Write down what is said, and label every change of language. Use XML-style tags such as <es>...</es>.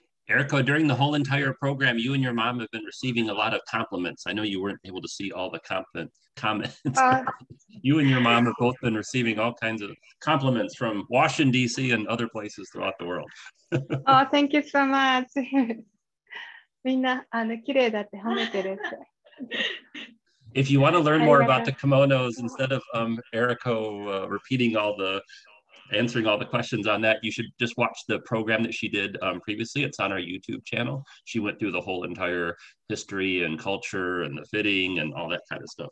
<en>Eriko, during the whole entire program, you and your mom have been receiving a lot of compliments. I know you weren't able to see all the comments. You and your mom have both been receiving all kinds of compliments from Washington, D.C. and other places throughout the world. Oh, thank you so much.</en> <ja>みんな、綺麗だって褒めてる。</ja> <en>If you want to learn more about the kimonos, instead of Eriko repeating all the, answering all the questions on that, you should just watch the program that she did previously. It's on our YouTube channel. She went through the whole entire history and culture and the fitting and all that kind of stuff.</en>